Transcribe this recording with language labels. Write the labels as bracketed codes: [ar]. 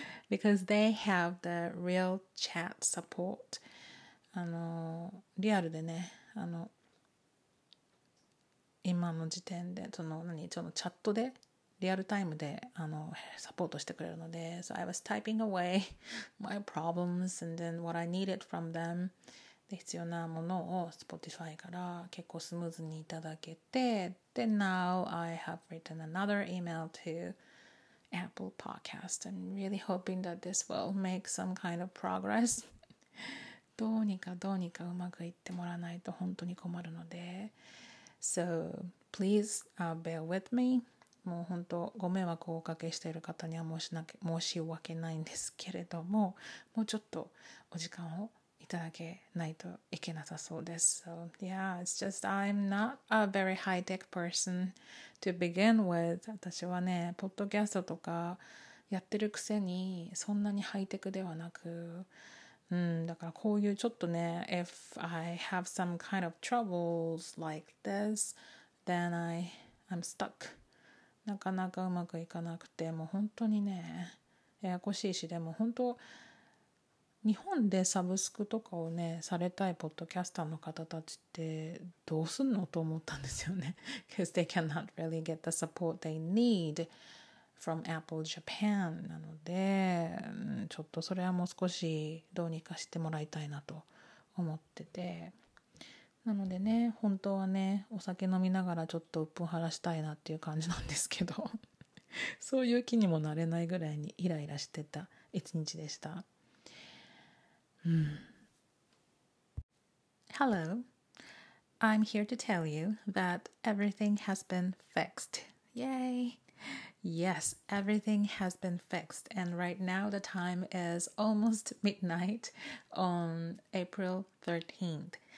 [en] Because they have the real chat support. [ja] あのリアルでね、あの今の時点でその何ちょっとチャットでリアルタイムであのサポートしてくれるので、 [en] So I was typing away my problems and then what I needed from them. [ja] で、必要なものを Spotify から結構スムーズにいただけて、 [en] Then now I have written another email to Apple Podcast and really hoping that this will make some kind of progress. [ja] どうにかどうにかうまくいってもらわないと本当に困るので、 [en] So please bear with me [ja] もう本当ご迷惑をおかけしている方には申し訳ないんですけれども、もうちょっとお時間をいただけないといけなさそうです。 [en] So yeah, it's just I'm not a very high tech person to begin with. [ja] 私はねポッドキャストとかやってるくせにそんなにハイテクではなく、うん、だからこういうちょっとね、 [en] If I have some kind of troubles like this, then I'm stuck [ja] なかなかうまくいかなくて、もう本当にねややこしいし、でも本当日本でサブスクとかをねされたいポッドキャスターの方たちってどうすんのと思ったんですよね。 [en] Because they cannot really get the support they need from Apple Japan. [ja] なのでちょっとそれはもう少しどうにかしてもらいたいなと思ってて、なのでね本当はねお酒飲みながらちょっと鬱憤晴らしたいなっていう感じなんですけどそういう気にもなれないぐらいにイライラしてた一日でした。うん。 [en] Hello, I'm here to tell you that everything has been fixed. Yay! Yes, everything has been fixed and right now the time is almost midnight on April 13th.